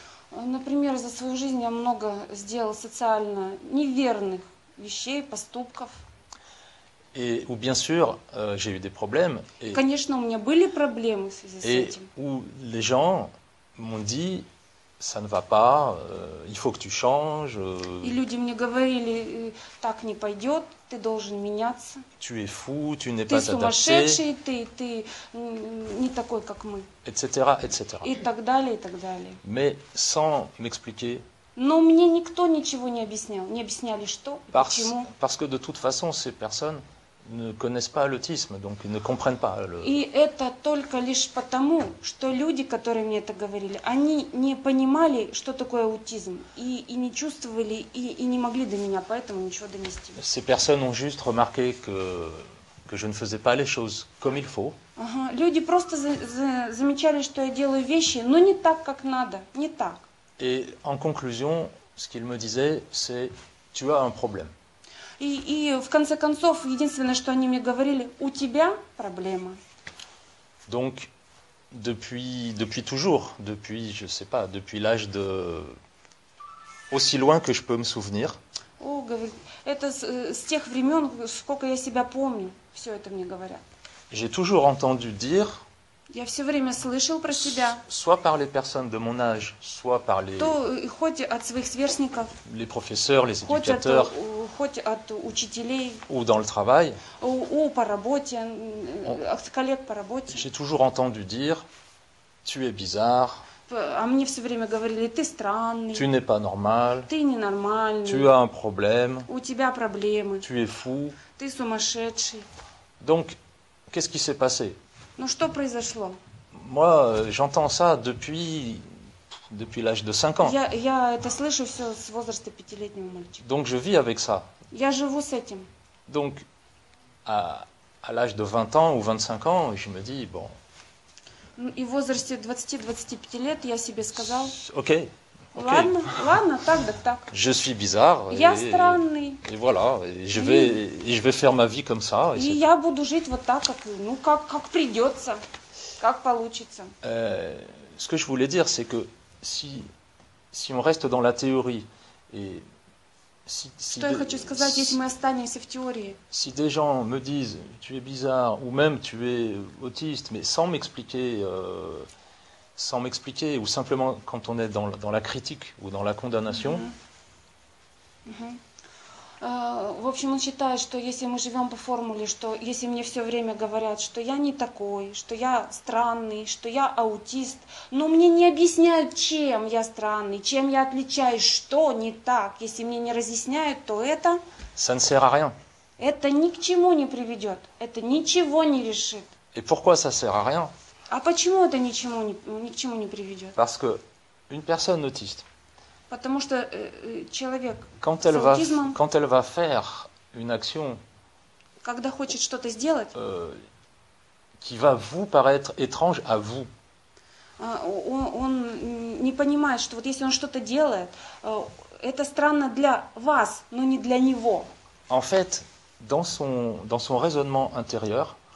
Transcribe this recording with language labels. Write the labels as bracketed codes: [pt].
[ru] Например, за свою жизнь я много сделал социально неверных вещей, поступков. [fr] Et, ou bien sûr, j'ai eu des problèmes. Et, [ru] конечно, у меня были проблемы в связи с этим. [fr] Où les gens m'ont dit, ça ne va pas, il faut que tu changes. [ru] И люди мне говорили, так не пойдет, ты должен меняться. [fr] Tu es fou, tu n'es [ru] ты [fr] pas [ru] сумасшедший, [fr] adapté. [ru] Ты не такой, как мы. [fr] Etc., etc. [ru] И так далее, и так далее. [fr] Mais sans m'expliquer. [ru] Но мне никто ничего не объяснял. Не объясняли, что, почему. [fr] Parce que de toute façon, ces personnes ne connaissent pas l'autisme, donc ils ne comprennent pas le. [ru] И это только лишь потому, что люди, которые мне это говорили, они не понимали, что такое аутизм, и не чувствовали, и не могли до меня, поэтому ничего донести. [fr] Ces personnes ont juste remarqué que je ne faisais pas les choses comme il faut. [ru] Ага. Люди просто замечали, что я делаю вещи, но не так, как надо, не так. [fr] Et en conclusion, ce qu'ils me disaient, c'est tu as un problème. [ru] И в конце концов, единственное, что они мне говорили, у тебя проблема. [fr] Donc, depuis toujours, depuis, je sais pas, depuis l'âge de aussi loin que je peux me souvenir. [ru] О, говорит, это с тех времен, сколько я себя помню, все это мне говорят. [fr] J'ai toujours entendu dire. [ru] Я все время слышал про себя. [fr] Soit par les personnes de mon âge, soit par les. [ru] То хоть от своих сверстников. [fr] Les professeurs, les éducateurs. [ru] Хоть от учителей. [fr] Ou dans le travail. Ou [ru] по работе, от коллег по работе. [fr] J'ai toujours entendu dire, tu es bizarre. [ru] А мне все время говорили, ты странный. [fr] Tu n'es pas normal. [ru] Ты ненормальный. [fr] Tu as un problème. [ru] У тебя проблемы. [fr] Tu es fou. [ru] Ты сумасшедший. [fr] Donc, qu'est-ce qui s'est passé? [ru] Ну что произошло? [fr] Moi, j'entends ça depuis l'âge de 5 ans. [ru] Я это слышу все с возраста 5-летнего мальчика. [fr] Donc je vis avec ça. [ru] Я живу с этим. [fr] Donc à l'âge de 20 ans ou 25 ans, je me dis bon. [ru] И в возрасте 20-25 лет я себе сказал. [fr] Okay. [ru] Ладно, ладно, так. [fr] Je suis bizarre. [ru] Я странный. [fr] Et voilà, je vais faire ma vie comme ça. [ru] И я буду жить вот так, как придется, как получится. [fr] Ce que je voulais dire, c'est que si on reste dans la théorie et [ru] Что я хочу сказать, если мы останемся в теории? [fr] Si des gens me disent tu es bizarre ou même tu es autiste, mais sans m'expliquer, ou simplement quand on est dans la critique ou dans la condamnation. [ru] В общем, он считает, что если мы живем по формуле, что если мне все время говорят, что я не такой, что я странный, что я аутист, но мне не объясняют, чем я странный, чем я отличаюсь, что не так, если мне не разъясняют, то это... [fr] Ça ne sert à rien. [ru] Это ни к чему не приведет, это ничего не решит. [fr] Et pourquoi ça sert à rien? [ru] А почему это ничему не, ни к чему не приведет? [fr] Parce que une personne autiste. [ru] Потому что человек [fr] quand [ru] с аутизмом, [fr] quand elle va faire une action, [ru] когда хочет что-то сделать, [fr] qui va vous paraître étrange à vous. [ru] Он не понимает, что вот если он что-то делает, это странно для вас, но не для него. [fr] En fait, dans son raisonnement intérieur,